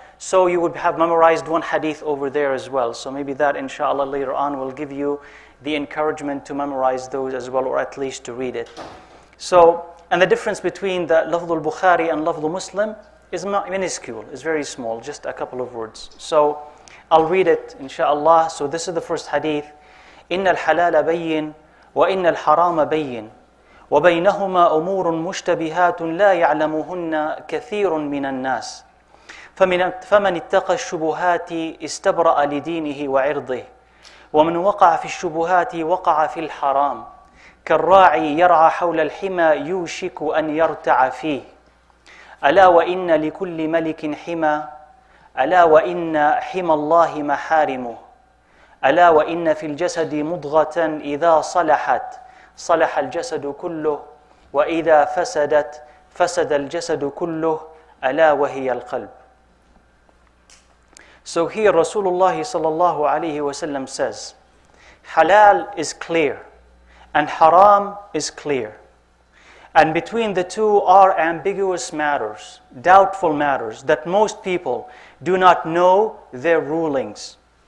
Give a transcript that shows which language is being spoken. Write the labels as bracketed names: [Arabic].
[English] So you would have memorized one hadith over there as well. So maybe that, inshallah, later on will give you the encouragement to memorize those as well, or at least to read it. So, and the difference between the lafz al-Bukhari and lafz al-Muslim is minuscule, is very small, just a couple of words. So I'll read it, inshallah. So this is the first hadith. [Arabic] إِنَّ الْحَلَالَ بَيِّنْ وَإِنَّ الْحَرَامَ بَيِّنْ وَبَيْنَهُمَا أُمُورٌ مُشْتَبِهَاتٌ لَا يَعْلَمُهُنَّ كَثِيرٌ مِنَ النَّاسِ فمن اتقى الشبهات استبرأ لدينه وعرضه ومن وقع في الشبهات وقع في الحرام كالراعي يرعى حول الحمى يوشك أن يرتع فيه ألا وإن لكل ملك حمى ألا وإن حمى الله محارمه ألا وإن في الجسد مضغة إذا صلحت صلح الجسد كله وإذا فسدت فسد الجسد كله ألا وهي القلب. [English] So here Rasulullah sallallahu alayhi wa sallam says, halal is clear and haram is clear. And between the two are ambiguous matters, doubtful matters that most people do not know their rulings.